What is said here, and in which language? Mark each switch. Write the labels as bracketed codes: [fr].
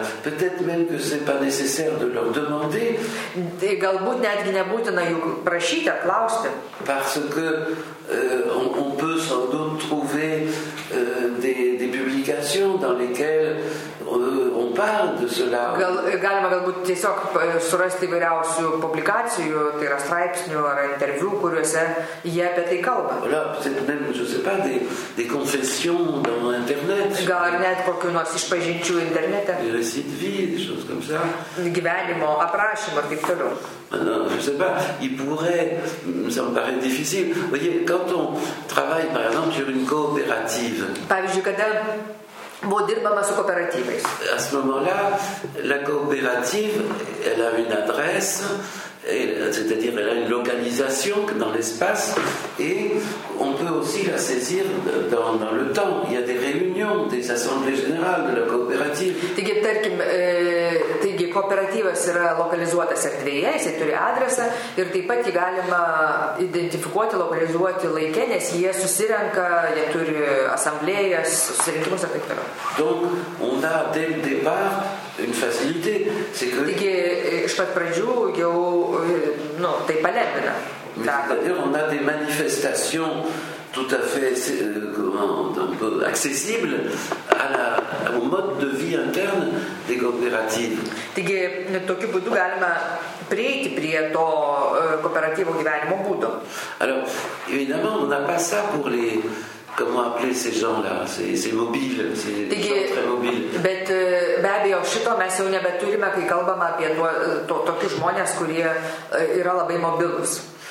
[fr] Peut-être même que c'est pas nécessaire de leur demander. [lt] Tai galbūt netgi nebūtina jų prašyti, klausti. [fr] Parce que on peut sans doute trouver des publications dans lesquelles on parle de cela. [lt] Galima galbūt tiesiog surasti įvairiausių publikacijų, tai yra straipsnių ar interviu, kuriuose jie apie tai kalba. [fr] Voilà, peut-être même, je sais pas, des confessions dans internet. [lt] Gal ar net kokių nors išpažinčių internete. [fr] Des récits de vie, des choses comme ça. [lt] Gyvenimo aprašymo ir taip toliau. [fr] Non, je sais pas, il pourrait, ça me paraît difficile. Vous voyez, quand on travaille, par exemple, sur une coopérative. [lt] Pavyzdžiui, kada buvo dirbama su kooperatyvais. [fr] À ce moment-là, la coopérative, elle a une adresse, c'est-à-dire elle a une localisation dans l'espace, et on peut aussi la saisir dans le temps. Il y a des réunions, des assemblées générales de la coopérative. [lt] Taigi, tarkim, kooperatyvas yra lokalizuotas erdvėje, jisai turi adresą ir taip pat jį galima identifikuoti, lokalizuoti laike, nes jie susirenka, jie turi asamblėjas, susirinkimus ir taip toliau. [fr] Donc, on a dès le départ une facilité, c'est que... [lt] Taigi, iš pat pradžių jau, nu, tai palengvina. [fr] C'est-à-dire, on a des manifestations tout à fait un peu accessible au mode de vie interne des coopératives. [lt] Taigi, tokiu būdu galima prieiti prie to kooperatyvo gyvenimo būdo. [fr] Alors, évidemment, on n'a pas ça pour les... Comment appeler ces gens-là? C'est mobile, c'est très mobile. [lt] Bet be abejo, šito mes jau nebeturime, kai kalbama apie tokius žmonės, kurie yra labai mobilus.